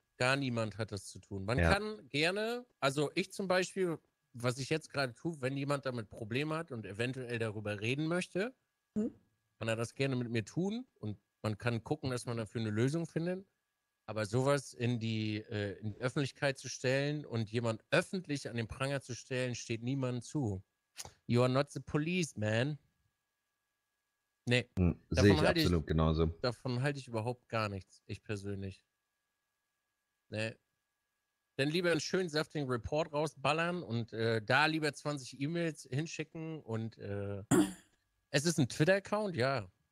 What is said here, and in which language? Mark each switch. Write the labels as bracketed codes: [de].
[de] Gar niemand hat das zu tun. Man kann gerne, also ich zum Beispiel, was ich jetzt gerade tue, wenn jemand damit Probleme hat und eventuell darüber reden möchte, kann er das gerne mit mir tun und man kann gucken, dass man dafür eine Lösung findet. Aber sowas in die Öffentlichkeit zu stellen und jemand öffentlich an den Pranger zu stellen, steht niemandem zu. [en] You are not the police, man. [de] Nee. Sehe ich absolut genauso. Davon halte ich überhaupt gar nichts, ich persönlich. Nee. Dann lieber einen schönen saftigen Report rausballern und da lieber 20 E-Mails hinschicken und es ist ein Twitter-Account, ja.